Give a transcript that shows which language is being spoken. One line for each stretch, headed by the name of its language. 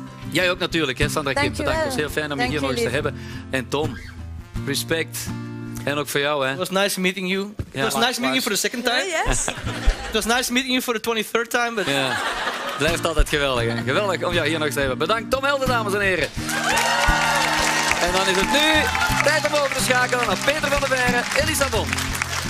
Dutch: Jij ook natuurlijk, hè, Sandra Kim. Bedankt. Het was heel fijn om je hier nog eens te hebben. En Tom, respect. En ook voor jou, hè.
English: It was nice meeting you. Yeah. It was nice meeting you for the second time. Yes. It was nice meeting you for the 23rd time. But... Yeah.
Dutch: Blijft altijd geweldig, hè. Geweldig om jou hier nog eens te hebben. Bedankt, Tom Helder, dames en heren. En dan is het nu tijd om over te schakelen naar Peter van der Veire in Lissabon.